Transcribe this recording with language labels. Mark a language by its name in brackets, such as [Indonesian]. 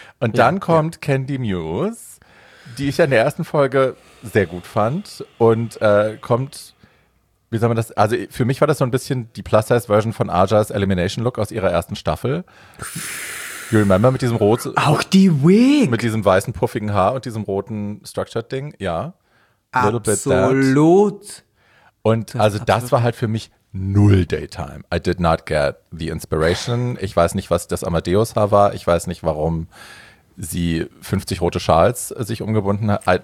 [German] Und ja, dann kommt ja Candy Muse, die ich ja in der ersten Folge sehr gut fand und kommt, wie soll man das, also für mich war das so ein bisschen die Plus-Size-Version von Aja's Elimination-Look aus ihrer ersten Staffel. [English] You remember [German] mit diesem roten... Auch die Wig! Mit diesem weißen puffigen Haar und diesem roten Structured-Ding, ja. Absolut. [English] Little bit that. [German] Und also das war halt für mich... Null Daytime. [English] I did not get the inspiration. [German] Ich weiß nicht, was das Amadeus-Haar war. Ich weiß nicht, warum sie 50 rote Schals sich umgebunden hat.